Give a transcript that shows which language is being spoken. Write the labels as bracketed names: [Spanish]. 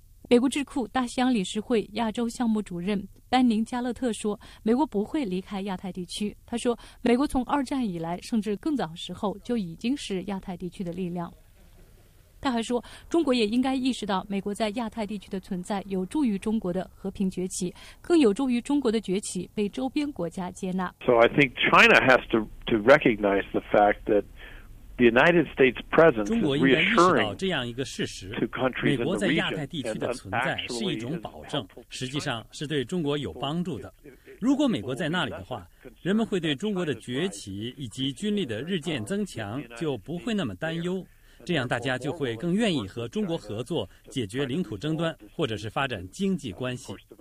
[Chinese] 美国智库大西洋理事会亚洲项目主任班宁加勒特说，美国不会离开亚太地区。他说，美国从二战以来甚至更早时候就已经是亚太地区的力量。他还说，中国也应该意识到美国在亚太地区的存在有助于中国的和平崛起，更有助于中国的崛起被周边国家接纳。 [English] So I think China has to recognize the fact that the United States' presence is reassuring. [Chinese] 中国应该意识到这样一个事实，美国在亚太地区的存在是一种保证，实际上是对中国有帮助的。如果美国在那里的话，人们会对中国的崛起以及军力的日渐增强就不会那么担忧。这样大家就会更愿意和中国合作，解决领土争端，或者是发展经济关系。